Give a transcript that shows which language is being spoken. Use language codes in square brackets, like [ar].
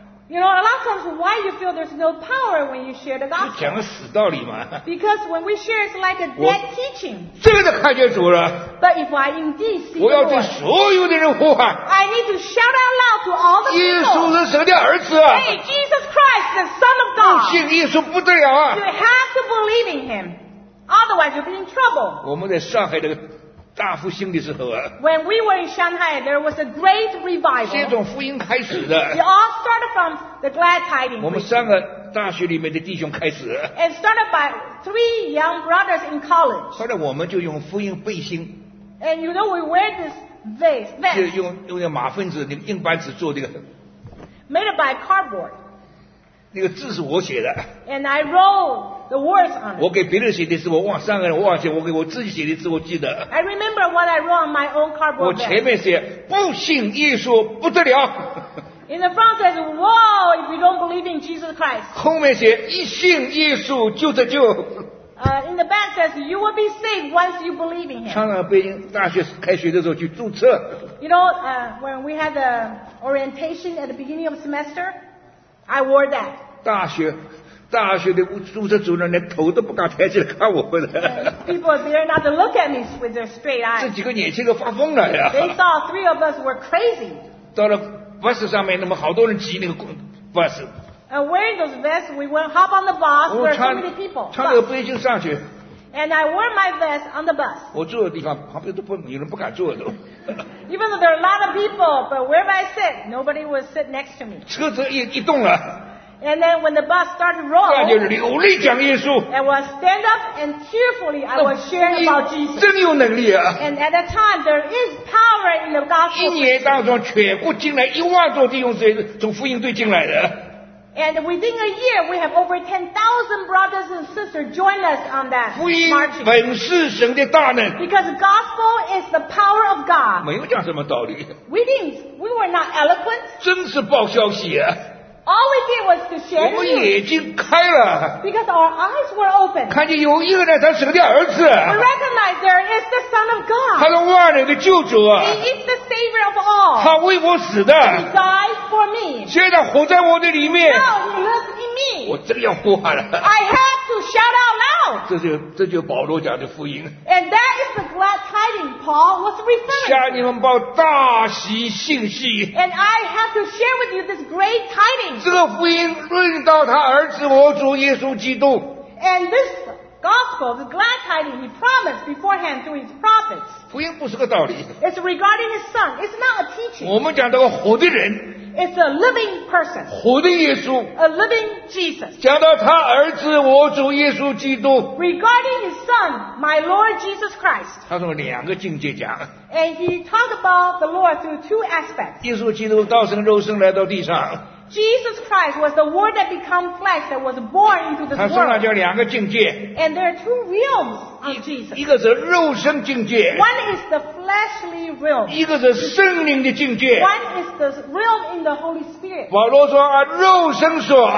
[en] You know, a lot of times why you feel there's no power when you share the gospel? [zh] 讲了死道理嘛。 [en] Because when we share, it's like a dead teaching. [zh] 这个都看见主了。 [en] But if I indeed see the Lord, [zh] 我要对所有的人呼喊。 [en] I need to shout out loud to all the people. [zh] 耶稣是神的儿子啊。 [en] Hey, Jesus Christ, the Son of God. [zh] 不信耶稣不得了啊。 [en] You have to believe in him. Otherwise, you'll be in trouble. [zh] 我们在上海这个大复兴的时候啊。 [en] When we were in Shanghai, there was a great revival. [zh] 先从福音开始的。 [en] It all started from the glad tidings. [zh] 我们三个大学里面的弟兄开始。 [en] It started by three young brothers in college. [zh] 后来我们就用福音背心。 [en] And you know, we wear this vest. [zh] 就用那个马粪纸那个硬板纸做这个。 [en] Made by cardboard. [zh] 那个字是我写的。 [en] And I wrote the words on it. [zh] 我给别人写的字，我忘三个人，我忘记；我给我自己写的字，我记得。 [en] I remember what I wrote on my own cardboard. [zh] 我前面写不信耶稣不得了。 [en] In the front says, "Whoa, if you don't believe in Jesus Christ." [zh] 后面写一信耶稣就得救。 [en] In the back says, "You will be saved once you believe in Him." [zh] 穿上背心，大学开学的时候去注册。 [en] You know, when we had the orientation at the beginning of the semester, I wore that. [zh] 大学的注册主任连头都不敢抬起来看我们了。 [en] People dare not to look at me with their straight eyes. [zh] 这几个年轻人发疯了呀。 [en] They saw three of us were crazy. [zh] 到了 bus 上面，那么好多人挤那个 bus. [en] And wearing those vests, we went hop on the bus. There were so many people. [zh] 穿那个背心上去。 [en] And I wore my vest on the bus. [zh] 我坐的地方旁边都不有人不敢坐都。 [en] Even though there are a lot of people, but where I sit, nobody would sit next to me. [zh] 车子一动了。 [en] And then when the bus started rolling, [zh] 那就流利讲耶稣。 [en] I will stand up and tearfully I will share about Jesus. [zh] 真有能力啊！ [en] And at that time there is power in the gospel. [zh] 一年当中全部进来一万多弟兄姊妹从福音队进来的。 [en] And within a year we have over 10,000 brothers and sisters join us on that marching. [zh] 福音本是神的大能。 [en] Because gospel is the power of God. [zh] 没有讲什么道理。 [en] We were not eloquent. [zh] 真是报消息啊！ [en] All we did was to share. [zh] 我们眼睛开了。 [en] Because our eyes were open. [zh] 看见有一个人，他是神的儿子。 [en] We recognize there is the Son of God. [zh] 他是万人的救主。 [en] He is the Savior of all. [zh] 他为我死的。 [en] He died for me. [zh] 现在活在我的里面。 [en] Now he lives in me. [zh] 我真要呼喊了。 [en] I have to shout out loud. [zh] 这就保罗讲的福音。 [en] And that is the glad tidings Paul was referring to. [zh] 向你们报大喜信息。 [en] And I have to share with you this great tidings. [zh] 这个福音论到他儿子我主耶稣基督。 [en] And this gospel, the glad tidings he promised beforehand through his prophets. [zh] 福音不是个道理。 [en] It's regarding his son. It's not a teaching. [zh] 我们讲到个活的人。 [en] It's a living person. [zh] 活的耶稣。 [en] A living Jesus. [zh] 讲到他儿子我主耶稣基督。 [en] Regarding his son, my Lord Jesus Christ. [zh] 他从两个境界讲。 [en] And he talked about the Lord through two aspects. [zh] 耶稣基督道成肉身来到地上。 [en] Jesus Christ was the Word that became flesh that was born into this world. [zh] 他身上叫两个境界。 [en] And there are two realms of Jesus. [zh] 一个是肉身境界。 [en] One is the fleshly realm. [zh] 一个是圣灵的境界。 [en] One is the realm in the Holy Spirit. [zh] 保罗说啊，肉身说。